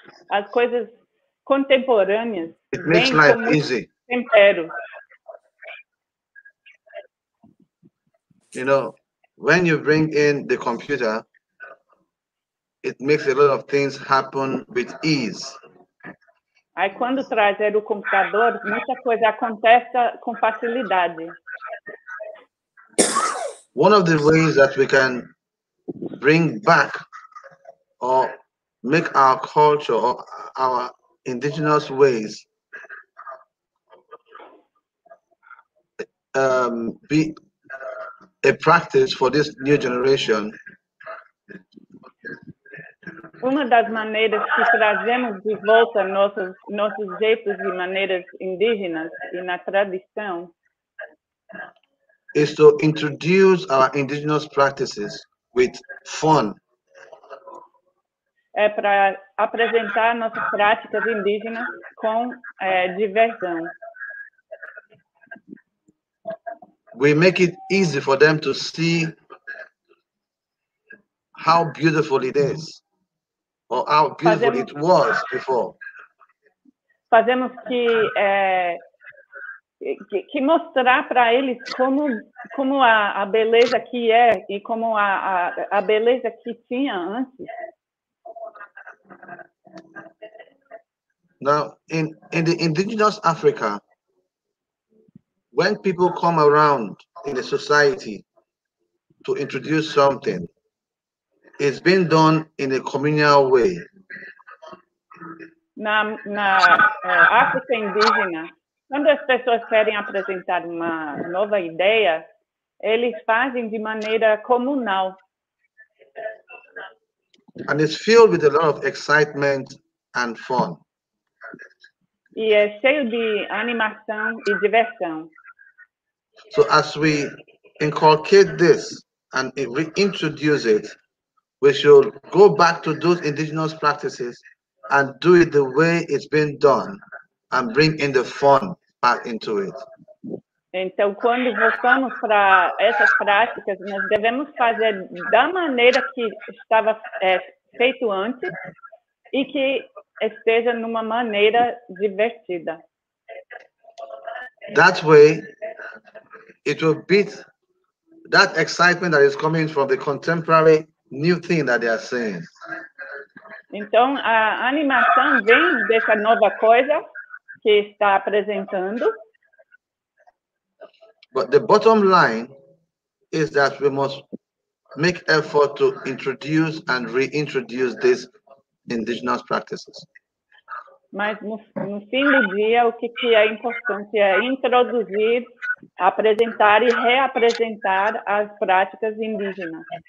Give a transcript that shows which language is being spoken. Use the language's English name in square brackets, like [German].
[Portuguese] As coisas contemporâneas. [English] It makes life easy. [Portuguese] Tempero. [English] You know, when you bring in the computer, it makes a lot of things happen with ease. [Portuguese] Aí quando trazer o computador, muita coisa acontece com facilidade. [English] One of the ways that we can bring back or make our culture or our indigenous ways be a practice for this new generation. [Portuguese] Uma das maneiras que trazemos de volta nossos jeitos e maneiras indígenas e na tradição [English] is to introduce our indigenous practices with fun. [Portuguese] É para apresentar nossas práticas indígenas com diversão. [English] We make it easy for them to see how beautiful it is. Or how beautiful [Portuguese] fazemos, [English] it was before. [Portuguese] Fazemos que mostrar para eles como a beleza que é e como a beleza que tinha antes. [English] Now, in the indigenous Africa, when people come around in a society to introduce something, it's been done in a communal way. [Portuguese] Na África indígena, quando as pessoas querem apresentar uma nova ideia, eles fazem de maneira comunal. [English] And it's filled with a lot of excitement and fun. [Portuguese] E é cheio de animação e diversão. [English] So as we inculcate this and reintroduce it, we should go back to those indigenous practices and do it the way it's been done and bring in the fun back into it. [Portuguese] Então, quando voltamos para essas práticas, nós devemos fazer da maneira que estava feito antes e que esteja numa maneira divertida. [English] That way, it will beat that excitement that is coming from the contemporary new thing that they are saying. [Portuguese] Então, a animação vem dessa nova coisa que está apresentando. [English] But the bottom line is that we must make effort to introduce and reintroduce these indigenous practices. [Portuguese] Mas no fim do dia, o que é importante é introduzir, apresentar e reapresentar as práticas indígenas.